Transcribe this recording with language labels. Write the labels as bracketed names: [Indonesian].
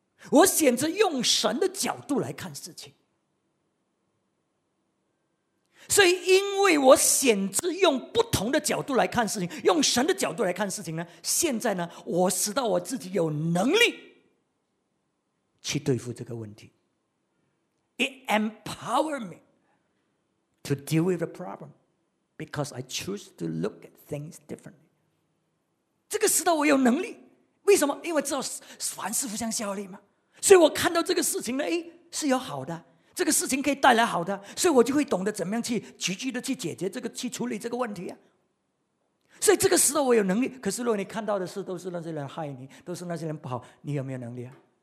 [Chinese] 我选择用神的角度来看事情。所以因为我选择用不同的角度来看事情，用神的角度来看事情呢，现在呢，我使到我自己有能力去对付这个问题。 [English] It empowers me to deal with the problem because I choose to look at things differently. [Chinese] 这个时代我有能力，为什么？因为知道凡事互相效力嘛。所以我看到这个事情呢，是有好的，这个事情可以带来好的，所以我就会懂得怎么样去积极的去解决这个，去处理这个问题啊。所以这个时候我有能力，可是如果你看到的事都是那些人害你，都是那些人不好，你有没有能力啊？